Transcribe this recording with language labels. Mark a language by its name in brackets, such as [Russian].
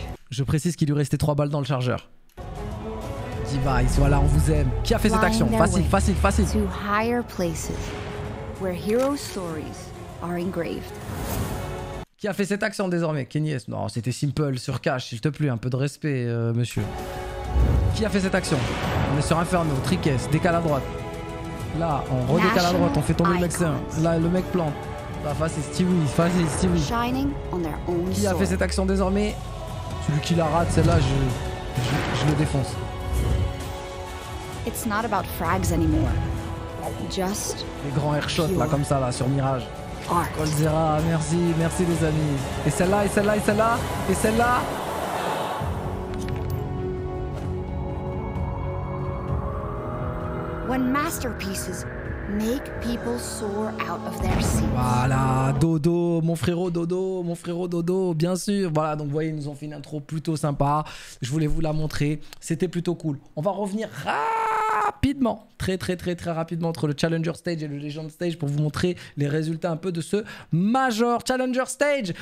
[French] Je précise qu'il lui restait 3 balles dans le chargeur. Divine, voilà, on vous aime. Qui a fait cette action? Facile, facile, facile. [English] To higher places where hero stories are engraved. [French] Qui a fait cette action désormais? Kenyes? Non, c'était simple sur cash, s'il te plaît, un peu de respect, monsieur. Qui a fait cette action? On est sur Inferno, Trikes, décale à droite. Là, on redécale à droite, on fait tomber le médecin. Là, le mec plante. Là, facile, Stewie, facile, Stewie. Qui a fait cette action désormais? Celui qui la rate, celle-là, je le défonce. [English] It's not about frags anymore. [French] Just les grands airshots là comme ça là sur Mirage. Colzera, merci, merci les amis. Et celle-là, et celle-là, et celle-là, et celle-là. [English] When masterpieces make people soar out of their seats. [French] Voilà, Dodo, mon frérot Dodo, bien sûr. Voilà, donc vous voyez, ils nous ont fait une intro plutôt sympa. Je voulais vous la montrer. C'était plutôt cool. On va revenir rapidement, très rapidement entre le Challenger Stage et le Legend Stage pour vous montrer les résultats un peu de ce Major Challenger Stage.